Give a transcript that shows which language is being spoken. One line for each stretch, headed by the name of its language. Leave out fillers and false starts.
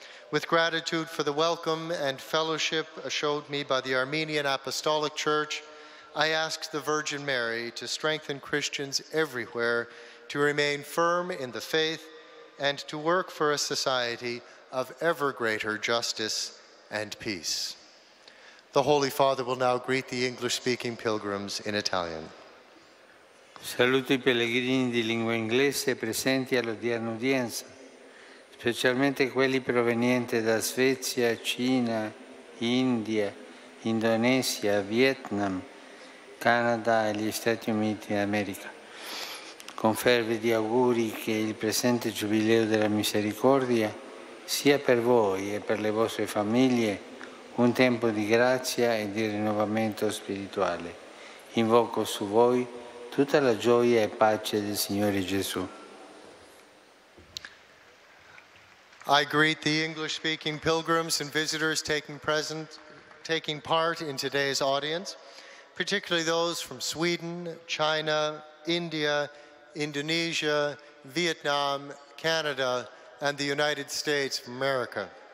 English: With gratitude for the welcome and fellowship showed me by the Armenian Apostolic Church, I ask the Virgin Mary to strengthen Christians everywhere to remain firm in the faith and to work for a society of ever greater justice and peace. The Holy Father will now greet the English-speaking pilgrims in Italian.
Italian: Saluto i pellegrini di lingua inglese presenti all'odierna udienza, specialmente quelli provenienti da Svezia, Cina, India, Indonesia, Vietnam, Canada e gli Stati Uniti d'America. Con fervidi auguri che il presente Giubileo della Misericordia sia per voi e per le vostre famiglie un tempo di grazia e di rinnovamento spirituale. Invoco su voi tutta la gioia e pace del Signore Gesù.
English: I greet the English-speaking pilgrims and visitors taking part in today's audience, particularly those from Sweden, China, India, Indonesia, Vietnam, Canada, and the United States of America.